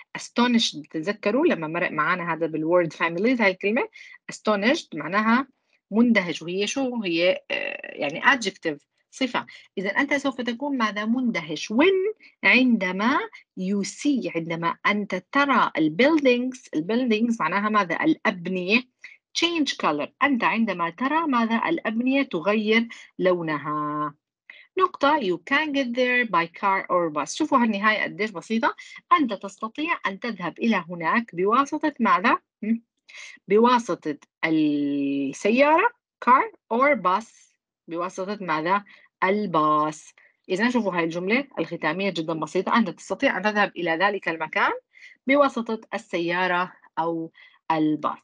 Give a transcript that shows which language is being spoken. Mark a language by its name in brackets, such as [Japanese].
[Arabic] astonished، تذكروا لما مرق معانا هذا بالword families، هاي الكلمة astonished معناها مندهش، وهي شو؟ هي يعني adjective، صفة. إذا أنت سوف تكون ماذا؟ مندهش. when، عندما [English] you see، [Arabic] عندما أنت ترى البيلدينجز، البيلدينجز معناها ماذا؟ الأبنية. [English] change color، [Arabic] أنت عندما ترى ماذا؟ الأبنية تغير لونها. نقطة، [English] you can get there by car or bus. [Arabic] شوفوا هالنهاية قديش بسيطة. أنت تستطيع أن تذهب إلى هناك بواسطة ماذا؟ بواسطة السيارة، [English] car or bus، [Arabic] بواسطة ماذا؟ الباص. إذا شوفوا هاي الجملة الختامية جدا بسيطة، أنت تستطيع أن تذهب إلى ذلك المكان بواسطة السيارة أو الباص.